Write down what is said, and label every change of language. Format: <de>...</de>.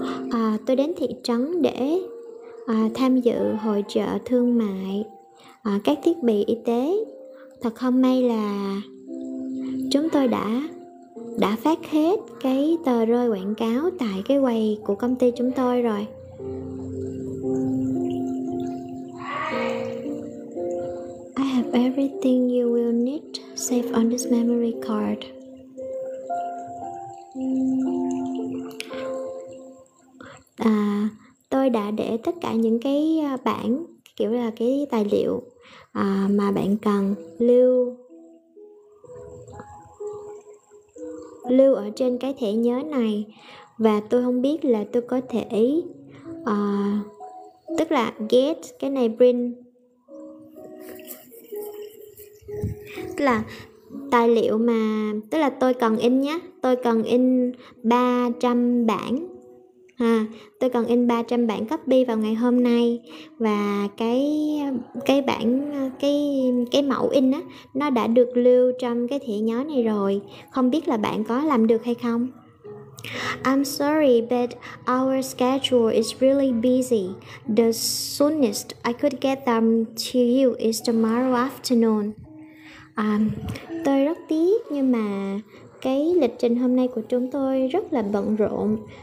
<vi>À, tôi đến thị trấn để tham dự hội chợ thương mại các thiết bị y tế. Thật không may là chúng tôi đã phát hết cái tờ rơi quảng cáo tại cái quầy của công ty chúng tôi rồi.</vi> <en>I have everything you will need saved on this memory card.</en> <vi>À, tôi đã để tất cả những cái bản kiểu là cái tài liệu mà bạn cần lưu ở trên cái thẻ nhớ này, và tôi không biết là tôi có thể tức là get cái này print, tức là tài liệu mà tức là tôi cần in nhé, tôi cần in 300 bản. À, tôi cần in 300 bản copy vào ngày hôm nay, và cái mẫu in á nó đã được lưu trong cái thẻ nhớ này rồi, không biết là bạn có làm được hay không.</vi> <en>I'm sorry but our schedule is really busy. The soonest I could get them to you is tomorrow afternoon.</en> <vi>Tôi rất tiếc nhưng mà cái lịch trình hôm nay của chúng tôi rất là bận rộn.</vi>